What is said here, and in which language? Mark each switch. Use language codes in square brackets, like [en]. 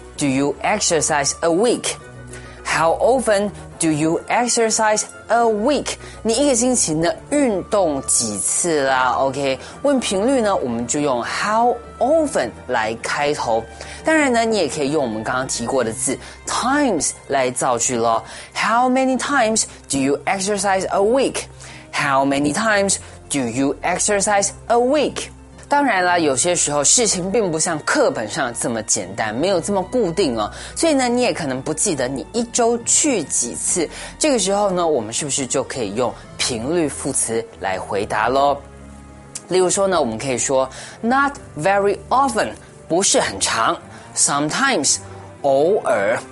[en] Do you exercise a week? How often do you exercise a week? [zh] 你一个星期呢运动几次啦 ？OK， 问频率呢，我们就用 [en] how often [zh] 来开头。当然呢，你也可以用我们刚刚提过的字 times 来造句咯。 [en] How many times do you exercise a week? How many times do you exercise a week? [zh] 当然啦，有些时候事情并不像课本上这么简单，没有这么固定哦。所以呢，你也可能不记得你一周去几次。这个时候呢，我们是不是就可以用频率副词来回答咯？例如说呢，我们可以说 [en] not very often， [zh] 不是很常 ， [en] sometimes， [zh] 偶尔。